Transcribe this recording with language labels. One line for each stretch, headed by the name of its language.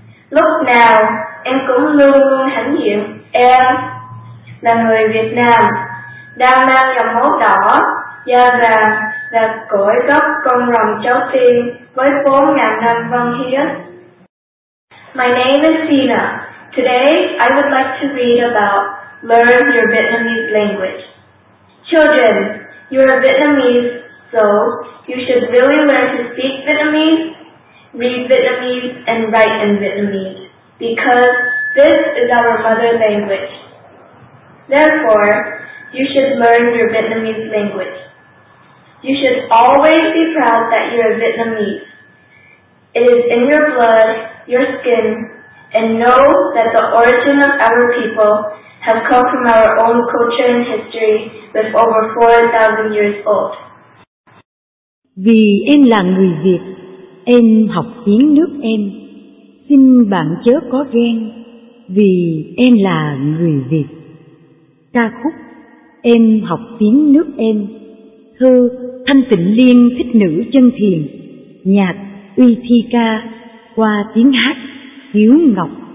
Vietnamese: Lúc nào em cũng luôn luôn hãnh diện em là người Việt Nam, đang mang dòng máu đỏ, da vàng và cõi gốc con rồng cháu tiên với 4.000 năm văn hiến.
English: My name is Tina. Today, I would like to read about Learn Your Vietnamese Language. Children, you are Vietnamese, so you should really learn to speak Vietnamese, read Vietnamese, and write in Vietnamese, because This is our mother language. Therefore, you should learn your Vietnamese language. You should always be proud that you are Vietnamese. It is in your blood, your skin, and know that the origin of our people has come from our own culture and history with over 4,000 years old.
Vietnamese: Vì em là người Việt, em học tiếng nước em. Xin bạn chớ có ghen, vì em là người Việt. Ca khúc Em học tiếng nước em, thơ Thanh Tịnh Liên Thích Nữ Chân Thiền, nhạc Uy Thi Ca, qua tiếng hát Hiếu Ngọc.